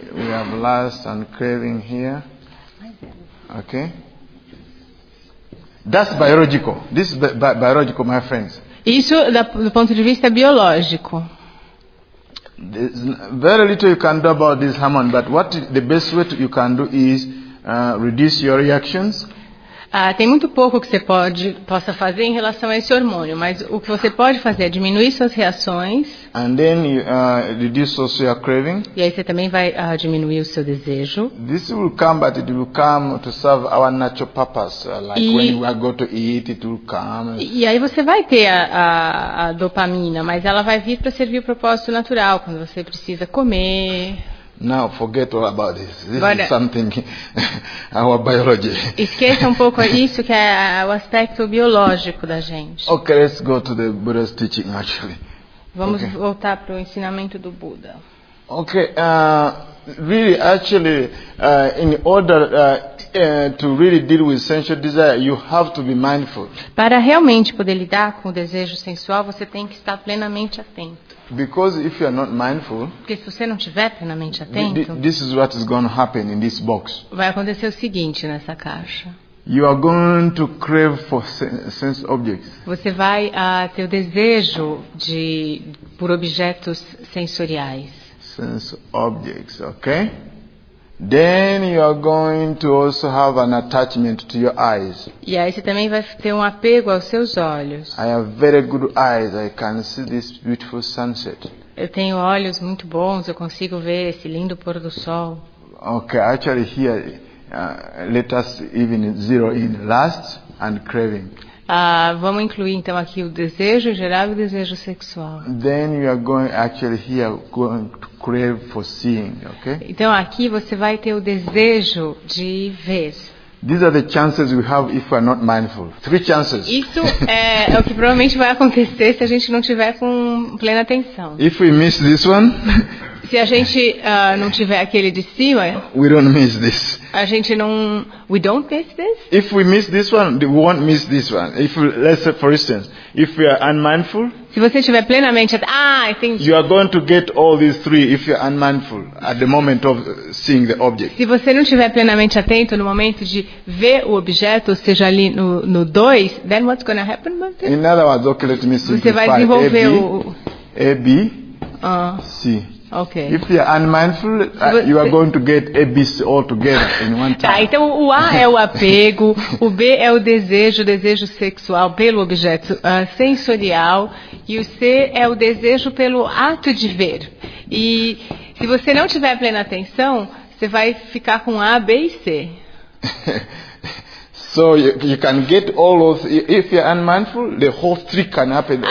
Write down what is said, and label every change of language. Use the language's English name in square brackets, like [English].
[English] We have lust and craving here. Okay. That's biological. This is biological, my friends. [Portuguese] Isso do ponto de vista biológico. [English] There's very little you can do about this hormone, but what the best way you can do is reduce your reactions. [Portuguese] Tem muito pouco que você possa fazer em relação a esse hormônio, mas o que você pode fazer é diminuir suas reações. [English] And then you, reduce also your craving. [Portuguese] E aí você também vai diminuir o seu desejo. [English] This will come, but it will come to serve our natural purpose. Like when you go to eat, it will come. [Portuguese] E aí você vai ter a dopamina, mas ela vai vir para servir o propósito natural quando você precisa comer. [English] Now forget all about this. This is something our biology. [Portuguese] Esqueça um pouco isso que é o aspecto biológico da gente. [English] Okay, let's go to the Buddha's teaching actually. [Portuguese] Vamos voltar para o ensinamento do Buda. [English] Okay, really actually in order to really deal with sensual desire, you have to be mindful. [Portuguese] Para realmente poder lidar com o desejo sensual, você tem que estar plenamente atento. [English] Because if you are not mindful, [Portuguese] porque se você não estiver plenamente atento, [English] this is what is going to happen in this box. [Portuguese] Vai acontecer o seguinte nessa caixa. [English] You are going to crave for sense objects. [Portuguese] Você vai ter o desejo por objetos sensoriais. [English] Sense objects, okay? Then you are going to also have an attachment to your eyes. [Portuguese] E aí você também vai ter um apego aos seus olhos. [English] I have very good eyes. I can see this beautiful sunset. [Portuguese] Eu tenho olhos muito bons. Eu consigo ver esse lindo pôr do sol. [English] Okay, actually here, let us even zero in lust and craving. [Portuguese] Vamos incluir então aqui o desejo geral e o desejo sexual. [English] Then you are going actually here going to crave for seeing, okay? [Portuguese] Então aqui você vai ter o desejo de ver. [English] These are the chances we have if we are not mindful. Three chances. [Portuguese] Isso é o que provavelmente vai acontecer se a gente não tiver com plena atenção. [English] If we miss this one, [Portuguese] se a gente não tiver aquele de cima, [English] we don't miss this. [Portuguese] A gente não, [English] we don't miss this. If we miss this one, we won't miss this one. If let's say for instance, if we are unmindful, [Portuguese] se você estiver plenamente atento, [English] I think you are going to get all these three if you are unmindful at the moment of seeing the object. [Portuguese] Se você não estiver plenamente atento no momento de ver o objeto, ou seja, ali no 2, [English] then what's going to happen, Martin? In other words, okay, let me see. [Portuguese] Você vai desenvolver A, B, C. [English] Okay. If you are unmindful, you are going to get A, B, C all together in one time. [Portuguese] Tá, então o A é o apego, o B é o desejo sexual pelo objeto sensorial, e o C é o desejo pelo ato de ver. E se você não tiver plena atenção, você vai ficar com A, B e C. [English] So you can get all of, if you're unmindful, the whole three can happen.